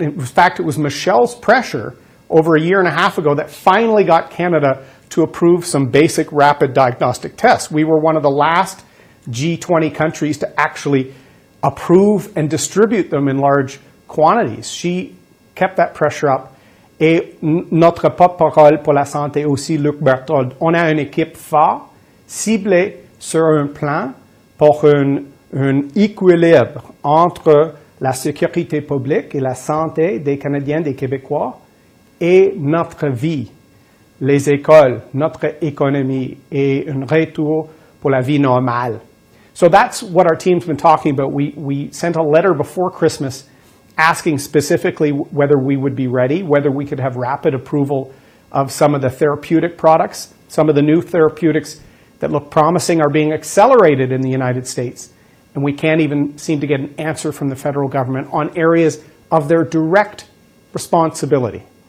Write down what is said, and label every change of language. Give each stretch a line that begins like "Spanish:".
English: In fact, it was Michelle's pressure over a year and a half ago that finally got Canada to approve some basic rapid diagnostic tests. We were one of the last G20 countries to actually approve and distribute them in large quantities. She kept that pressure up.
French: Et notre porte-parole pour la santé aussi, Luc Berthold. On a une équipe forte, ciblée sur un plan pour un équilibre entre la sécurité publique et la santé des Canadiens, des Québécois, et notre vie, les écoles, notre économie, et un retour pour la vie normale.
English: So that's what our team's been talking about. We sent a letter before Christmas asking specifically whether we would be ready, whether we could have rapid approval of some of the therapeutic products. Some of the new therapeutics that look promising are being accelerated in the United States, and we can't even seem to get an answer from the federal government on areas of their direct responsibility.